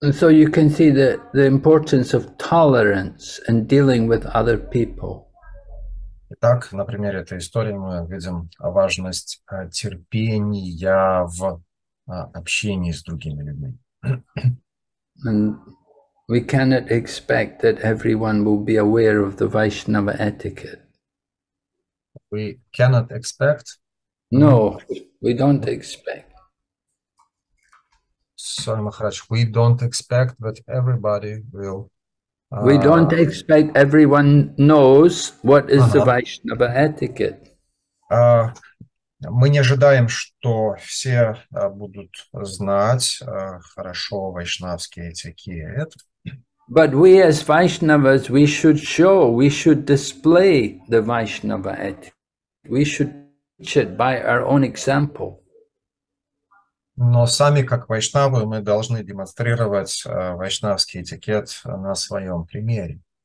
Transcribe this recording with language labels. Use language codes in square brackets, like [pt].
[en] So you can see the importance of tolerance and dealing with other people. [ru] Итак, на примере этой истории мы видим важность терпения в общении с другими людьми. [en] And we cannot expect that everyone will be aware of the Vaishnava etiquette. We cannot expect? No, we don't expect. Sorry, Maharaj, we don't expect that everybody will... We don't expect everyone knows what is the Vaishnava etiquette. [ru] Мы не ожидаем, что все будут знать хорошо вайшнавский этикет. [en] But we as Vaishnavas, we should show, we should display the Vaishnava etiquette. We should teach it by our own example. [ru] Но сами, как вайшнавы, мы должны демонстрировать вайшнавский этикет на своем примере.